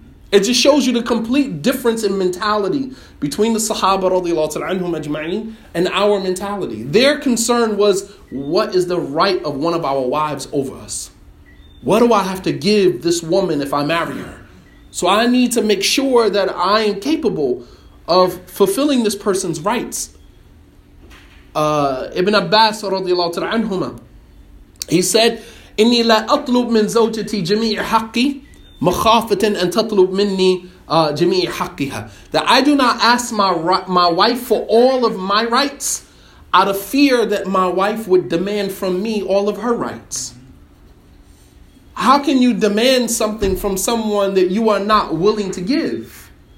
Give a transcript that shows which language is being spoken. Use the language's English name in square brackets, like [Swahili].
[English] It just shows you the complete difference in mentality between the Sahaba radiallahu ta'ala anhum ajma'in and our mentality. Their concern was, what is the right of one of our wives over us? What do I have to give this woman if I marry her? So I need to make sure that I am capable of fulfilling this person's rights. [Arabic] Ibn Abbas radiallahu ta'ala anhum, [English] he said, [Arabic] إِنِّي لَأَطْلُبْ مِنْ زَوْجَتِي جَمِيعِ حَقِّي مخافةً أن تطلب مني جميع حقها. [English] That I do not ask my wife for all of my rights out of fear that my wife would demand from me all of her rights. How can you demand something from someone that you are not willing to give?